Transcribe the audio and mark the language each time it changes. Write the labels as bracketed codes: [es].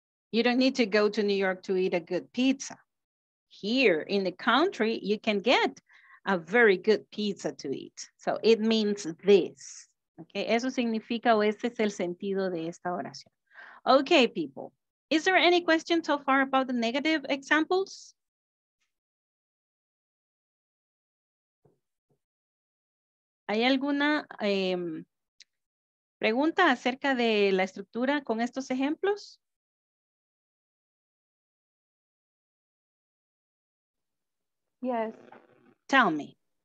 [en] You don't need to go to New York to eat a good pizza. Here in the country, you can get a very good pizza to eat. So it means this, [es] Okay, eso significa o este es el sentido de esta oración. [en] Okay, people. Is there any question so far about the negative examples? [es] ¿Hay alguna pregunta acerca de la estructura con estos ejemplos? [en] Yes. Tell me.